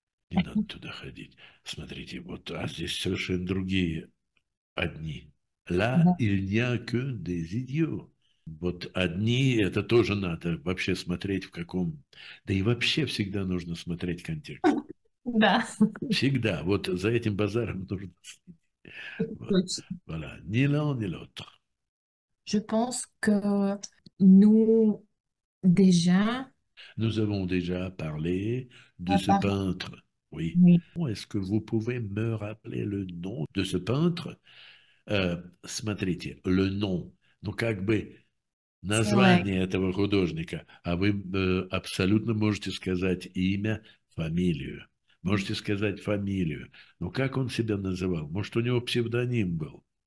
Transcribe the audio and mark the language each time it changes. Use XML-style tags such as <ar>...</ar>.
<ru>Не надо туда ходить. Смотрите, вот а здесь совершенно другие одни.</ru> <fr>Là, il n'y a que des idiots.</fr> <ru>Вот одни, это тоже надо вообще смотреть в каком... Да и вообще всегда нужно смотреть контекст. Да. Всегда. Вот за этим базаром нужно следить. Вот.</ru> <fr>Voilà. Ни l'un, ни l'autre. Je pense que nous déjà Nous avons déjà parlé de à ce part... peintre. Oui. Oui. Est-ce que vous pouvez me rappeler le nom de ce peintre?</fr> <ru>Смотрите,</ru> <fr>le nom.</fr> <ru>Ну, как бы Человек. название этого художника. А вы абсолютно можете сказать имя, фамилию. Можете сказать фамилию. Но как он себя называл? Может, у него псевдоним был?</ru>